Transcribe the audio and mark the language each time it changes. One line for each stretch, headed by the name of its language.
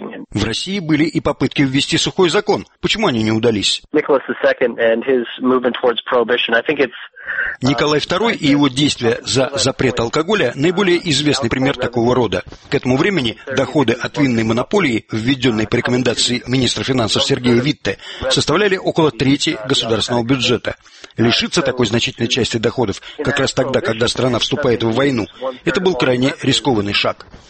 Russian: В России были и попытки ввести сухой закон. Почему они не удались?
English: Николай II and his movement towards prohibition. I think it's
Russian: Николай II и его действия за запрет алкоголя – наиболее известный пример такого рода. К этому времени доходы от винной монополии, введенной по рекомендации министра финансов Сергея Витте, составляли около трети государственного бюджета. Лишиться такой значительной части доходов как раз тогда, когда страна вступает в войну – это был крайне рискованный шаг.